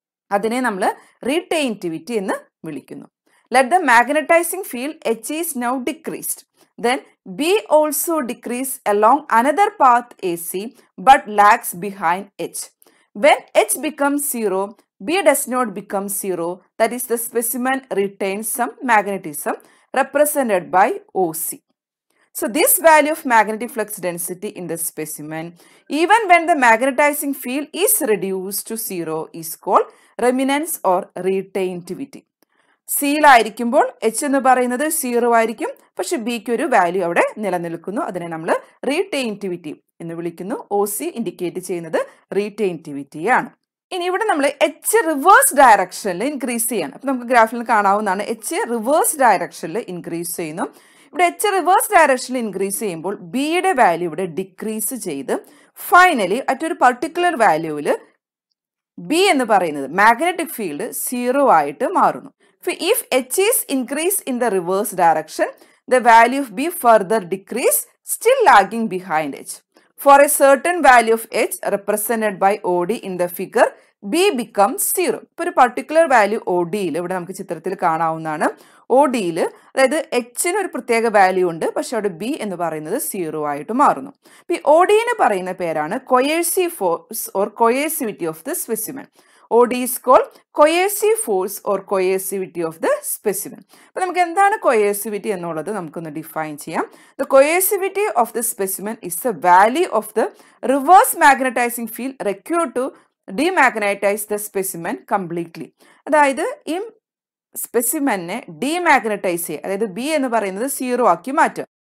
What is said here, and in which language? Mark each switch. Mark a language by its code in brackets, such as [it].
[ml] അതിനെ നമ്മൾ റീറ്റെയിൻറ്റിവിറ്റി എന്ന് വിളിക്കുന്നു. [en] Let the magnetizing field H is now decreased then B also decrease along another path A C but lags behind H. When H become zero B does not become zero that is the specimen retain some magnetism represented by OC. So this value of magnetic flux density in the specimen, even when the magnetizing field is reduced to zero, is called remanence or retentivity. [ml] C il irikkumbol H ennu parayunnathu zero aayirikkum, pakshe B ku oru value avade nilanilkkunnu, adine nammal retentivity ennu vilikkunnu. OC indicate cheynathu retentivity aanu. ഇനി ഇവിടെ നമ്മൾ H reverse ഡയറക്ഷനിൽ increase ചെയ്യണം. അപ്പൊ നമുക്ക് ഗ്രാഫിൽ കാണാവുന്നതാണ് H reverse ഡയറക്ഷനിൽ ഇൻക്രീസ് ചെയ്യുന്നു. ഇവിടെ എച്ച് റിവേഴ്സ് ഡയറക്ഷനിൽ ഇൻക്രീസ് ചെയ്യുമ്പോൾ ബിയുടെ വാല്യൂ ഇവിടെ ഡിക്രീസ് ചെയ്ത് ഫൈനലി അറ്റ് ഒരു പർട്ടിക്കുലർ വാല്യൂവിൽ ബി എന്ന് പറയുന്നത് മാഗ്നറ്റിക് ഫീൽഡ് സീറോ ആയിട്ട് മാറുന്നു. [en] If H is increase in the reverse direction the value of B further decrease still lagging behind H. For a certain value of H represented by OD in the figure, B becomes 0. For a particular value OD, [ml] ഇവിടെ നമുക്ക് ചിത്രത്തിൽ കാണാവുന്നതാണ് OD യിൽ അതായത് എച്ചിന് ഒരു പ്രത്യേക value ഉണ്ട്, പക്ഷെ അവിടെ ബി എന്ന് പറയുന്നത് സീറോ ആയിട്ട് മാറുന്നു. ഈ ഒഡിന് പറയുന്ന പേരാണ് [en] Coercive force or coercivity of the specimen. OD is called cohesive force or cohesivity of the specimen. [ml] അപ്പൊ നമുക്ക് എന്താണ് കൊയേഴ്സിവിറ്റി എന്നുള്ളത് നമുക്കൊന്ന് ഡിഫൈൻ ചെയ്യാം. [en] The coercivity of the specimen is the value of the reverse magnetizing field require to demagnetize the specimen completely. [ml] അതായത് ഈ സ്പെസിമെന്നെ demagnetise ചെയ്യുക, അതായത് ബി എന്ന് പറയുന്നത് സീറോ ആക്കി മാറ്റുക.